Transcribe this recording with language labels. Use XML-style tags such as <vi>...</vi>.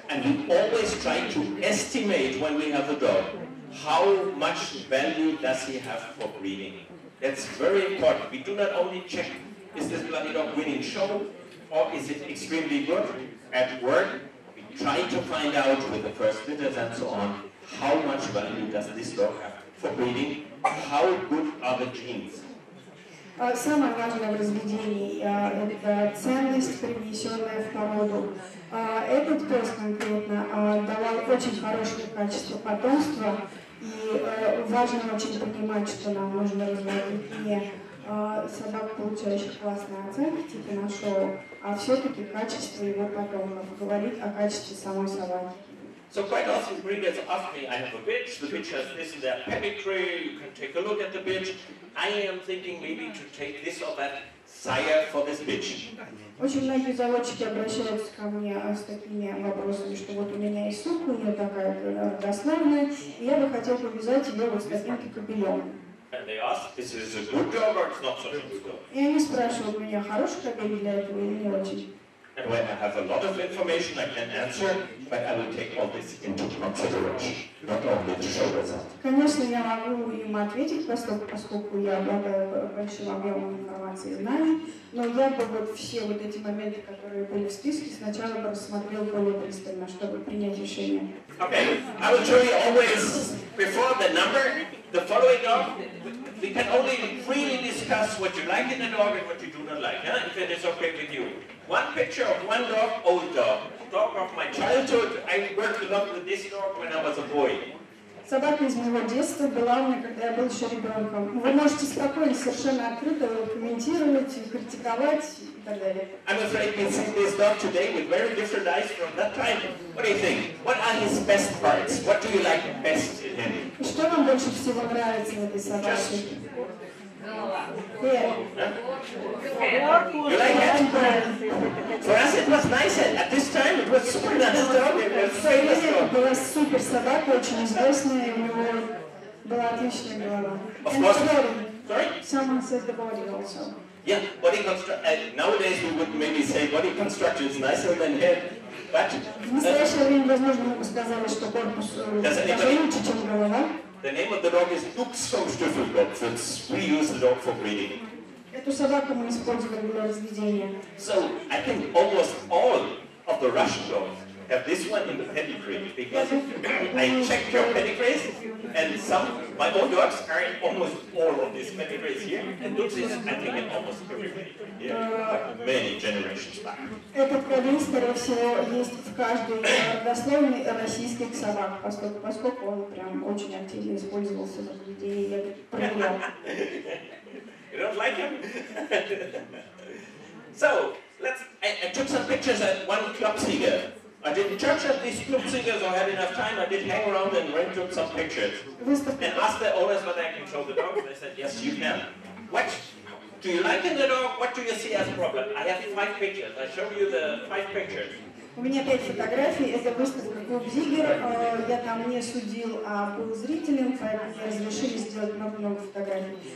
<en>And we always try to estimate when we have a dog, how much value does he have for breeding. That's very important. We do not only check, is this bloody dog winning show? Or is it extremely good at work? We try to find out with the first litters and so on, how much value does this dog have for breeding? How good are the genes?</en> <ru>Самое важное в разведении – это ценность, принесенная в породу. Этот пес конкретно давал очень хорошее качество потомства, И важно очень понимать, что нам нужно разводить не собак, получающих классные оценки, типа на шоу, а все-таки качество его потомков, говорить о качестве самой собаки.</ru> <en>So quite often breeders ask me, I have a bitch, the bitch has this and that pedigree, you can take a look at the bitch. I am thinking maybe to take this or that sire for this bitch.</en> <ru>Очень многие заводчики обращаются ко мне с такими вопросами, что вот у меня есть сук, у нее такая родословная, и я бы хотел повязать ее вот с таким-то кобелем.</ru> <en>And they ask, is this a good dog or it's not such a good dog?</en> <ru>И они спрашивают меня, хороший кобель для этого или не очень.</ru> <en>And when I have a lot of information, I can answer, but I will take all this into consideration, not only the show result.</en> <ru>Конечно, я могу им ответить, поскольку я обладаю большим объемом информации и знаний, но я бы вот все вот эти моменты, которые были в списке, сначала бы рассмотрел более пристально, чтобы принять решение.</ru> <en>Okay, I will show you always before the number, the following dog. We can only freely discuss what you like in the dog and what you do not like, huh? If it is okay with you. One picture of one dog, old dog. Dog of my childhood. I worked a lot with this dog when I was a boy.</en> <ru>Собака из моего детства была у меня, когда я был еще ребенком. Вы можете спокойно, совершенно открыто комментировать, критиковать и так далее.</ru> <en>I'm afraid we see this dog today with very different eyes from that time. What do you think? What are his best parts? What do you like best in him?</en> <ru>Что вам больше всего нравится в этой собаке?</ru> <en>Just... Yeah. You like it? For us it was nice, at this time it was super nice dog, it was famous dog. It was super</en> <ru>собака, очень известная, у него была отличная голова.</ru> <en>Of course. Body. Sorry? Someone says the body also. Yeah, body construction. Nowadays we would maybe say body construction is nicer than head. But...</en> <ru>В настоящее время, возможно, мы бы сказали, что корпус даже лучше, чем голова.</ru> <en>The name of the dog is Dukes from Stiefelberg, since we use the dog for breeding.</en> <ru>Эту собаку мы использовали для разведения.</ru> <en>So, I think almost all of the Russian dogs have this one in the pedigree, because I checked your pedigrees, and some, my own dogs are in almost all of these pedigrees here, and Dukes is, I think, in almost everybody here, like many generations back.</en> <ru>Этот кобель, скорее всего, есть в каждой родословной российских собак, поскольку он прям очень активно использовался в разведении, я проверял.</ru> <en>You don't like him? So, let's, I took some pictures at one club singer. I didn't judge at these club singers or had enough time, I did hang around and went took some pictures. And asked the owners whether I can show the dog, and they said, yes, you can. What do you like in the dog? What do you see as a problem? I have five pictures, I show you the five pictures.</en> <ru>У меня пять фотографий, это выставка «Клуб Зигер», я там не судил, а был зрителем, поэтому разрешили сделать много фотографий.</ru>